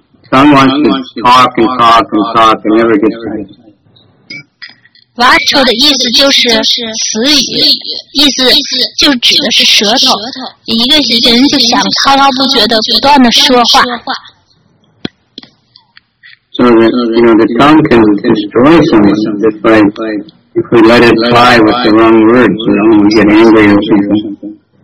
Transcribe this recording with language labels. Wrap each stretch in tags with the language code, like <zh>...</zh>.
<en>Someone wants to talk and talk and never get tired.</en> <zh>Vacho的意思就是词语,意思就指的是舌头,一个人就想滔滔不绝地不断地说话。</zh> <en>So, the tongue can destroy someone just by, if we let it fly with the wrong words, you know, we get angry or something.</en>